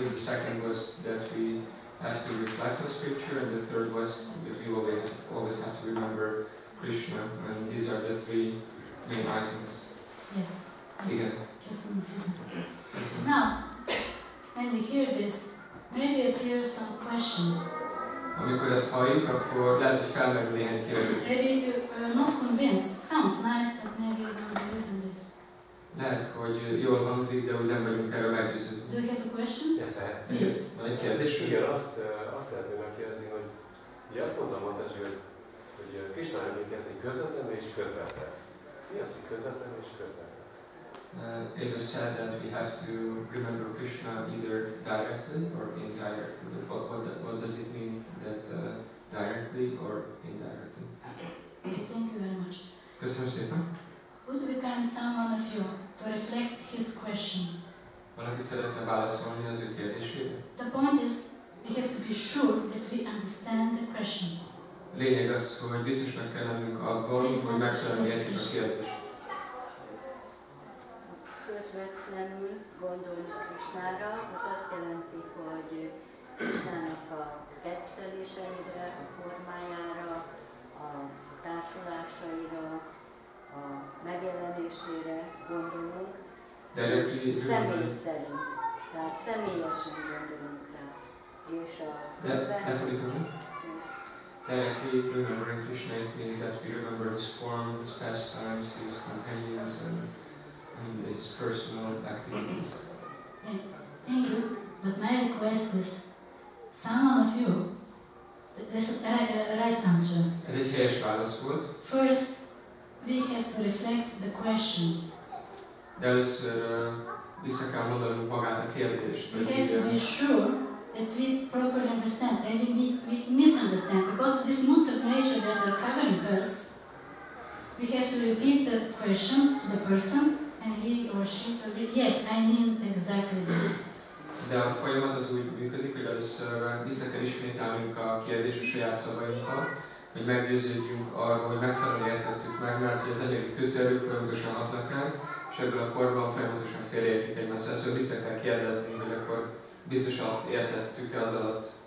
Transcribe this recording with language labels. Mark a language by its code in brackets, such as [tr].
[en] The second was that we have to reflect on scripture, and the third was that we always have to remember Krishna, and these are the three main items. Yes. Again. Just now, when we hear this, maybe appear some question. [hu] Amikor ezt halljuk, akkor lehet, hogy felmerül néhány kérdés. [en] Maybe you're not convinced. Sounds nice, but maybe you don't believe in this. [hu] Lehet, hogy jól hangzik, de úgy nem vagyunk erre meggyőződve. [en] Do you have a question? Yes, I have. Please. [hu] Van egy kérdés? Igen, azt szeretném megkérdezni, hogy ugye azt mondtam, Matázsi, hogy Krisna emlékezni közvetlen és közvetlen. Mi az, hogy közvetlen és közvetlen? [en] It was said that we have to remember Krishna either directly or indirectly. What does it mean that directly or indirectly? Okay, thank you very much. [hu] Köszönöm szépen. [en] Would we kind someone of you to reflect his question? [hu] Valaki szeretne válaszolni az ő kérdésére? [en] The point is, we have to be sure that we understand the question. [hu] Lényeg az, hogy biztosnak kell lennünk abban, hogy megfelelően értjük a kérdést. Közvetlenül gondolunk Krisnára, az azt jelenti, hogy Krisnának a kedvtöléseire, a formájára, a társulásaira, a megjelenésére gondolunk. Személy szerint. Tehát személyesen gondolunk rá. És a közvetlenül... [en] Directly remembering Krishna, it means that we remember his form, his pastimes, his companions, and his personal activities. Yeah, thank you. But my request is, someone of you, this is the right answer. [hu] Ez egy helyes válasz volt. [en] First, We have to reflect the question. [hu] De először vissza kell mondanunk magát a kérdést. [en] We have to be sure that we properly understand. Maybe we misunderstand because this moods of nature that are covering us. We have to repeat the question to the person, and he or she will be, yes, I mean exactly this. [hu] De a folyamat az úgy működik, hogy először vissza kell ismételnünk a kérdést a saját szavainkkal, hogy meggyőződjünk arról, hogy megfelelően értettük meg, mert hogy az anyagi kötőerők folyamatosan hatnak ránk, és ebből a korban folyamatosan félreértjük egymást. Ezt vissza kell kérdezni, hogy akkor biztos azt értettük-e az alatt.